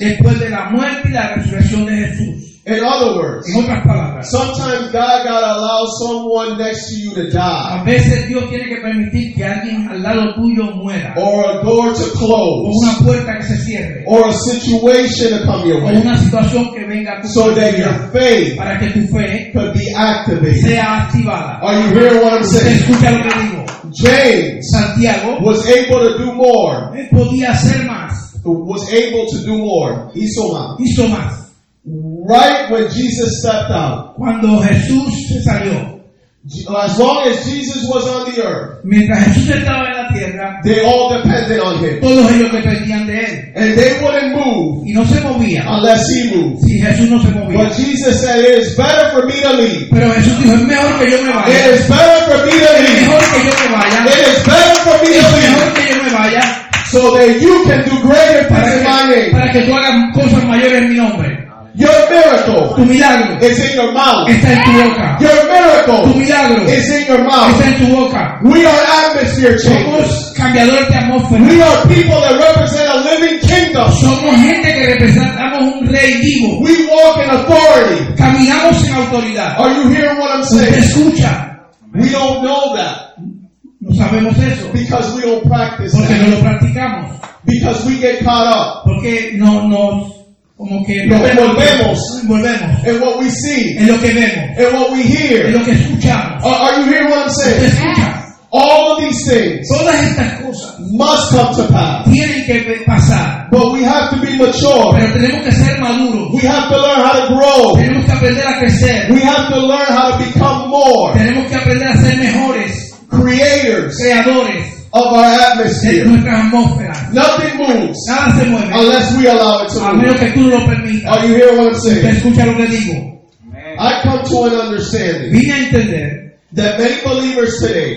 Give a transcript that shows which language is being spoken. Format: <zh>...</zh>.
<es>Después de la muerte y la resurrección de Jesús.</es> <en>In other words,</en> <es>en otras palabras,</es> <en>sometimes God gotta allow someone next to you to die.</en> <es>A veces Dios tiene que permitir que alguien al lado tuyo muera.</es> <en>Or a door to close.</en> <es>O una puerta que se cierre.</es> <en>Or a situation to come your way.</en> <es>O una situación que venga a tu</es> <en>so that your faith</en> <es>para que tu fe</es> <en>could be activated.</en> <es>Sea activada.</es> <en>Are you hearing what I'm saying?</en> <es>Usted escucha lo que digo.</es> <en>James</en> <es>Santiago</es> <en>was able to do more.</en> <es>Él podía hacer más.</es> <en>Was able to do more.</en> <es>Hizo más. Hizo más.</es> <en>Right when Jesus stepped out.</en> <es>Cuando Jesús se salió.</es> <en>As long as Jesus was on the earth.</en> <es>Mientras Jesús estaba en la tierra.</es> <en>They all depended on him.</en> <es>Todos ellos dependían de él.</es> <en>And they wouldn't move.</en> <es>Y no se movían.</es> <en>Unless he moved.</en> <es>Si Jesús no se movía.</es> <en>But Jesus said, it is better for me to leave.</en> <es>Pero Jesús dijo, es mejor que yo me vaya.</es> <en>It is better for me to leave.</en> <es>Es mejor que yo me vaya.</es> <en>It is better for me to leave.</en> <es>Es mejor que yo me vaya.</es> <en>So that you can do greater things in my name.</en> <es>Para que tú hagas cosas mayores en mi nombre.</es> <en>Your miracle,</en> <es>tu milagro,</es> <en>is in your mouth.</en> <es>Está en tu boca.</es> <en>Your miracle,</en> <es>tu milagro,</es> <en>is in your mouth.</en> <es>Está en tu boca.</es> <en>We are atmosphere changers.</en> <es>Somos cambiadores de atmósfera.</es> <en>We are people that represent a living kingdom.</en> <es>Somos gente que representamos un rey vivo.</es> <en>We walk in authority.</en> <es>Caminamos en autoridad.</es> <en>Are you hearing what I'm saying?</en> <es>Escucha.</es> <en>We don't know that.</en> <es>No sabemos eso.</es> <en>Because we don't practice.</en> <es>Porque</es> <en>that.</en> <es>No lo practicamos.</es> <en>Because we get caught up.</en> <es>Porque no nos como que volvemos en</es> <en>what we see,</en> <es>en lo que vemos, en</es> <en>what we hear,</en> <es>en lo que escuchamos.</es> <en>Are you hearing what I'm saying?</en> <es>¿Te escuchas?</es> <en>All of these things,</en> <es>todas estas cosas,</es> <en>must come to pass.</en> <es>Tienen que pasar.</es> <en>But we have to be mature.</en> <es>Pero tenemos que ser maduros.</es> <en>We have to learn how to grow.</en> <es>Tenemos que aprender a crecer.</es> <en>We have to learn how to become more.</en> <es>Tenemos que aprender a ser mejores.</es> <en>Creators.</en> <es>Creadores.</es> <en>Of our atmosphere.</en> <es>De nuestra atmósfera.</es> <en>Nothing moves.</en> <es>Nada se mueve.</es> <en>Unless we allow it to a move.</en> <es>A menos que tú lo permitas.</es> <en>Are you hearing what I'm saying?</en> <es>¿Te escucha lo que digo?</es> <en>I come to an understanding.</en> <es>Vine a entender.</es> <en>That many believers today.</en>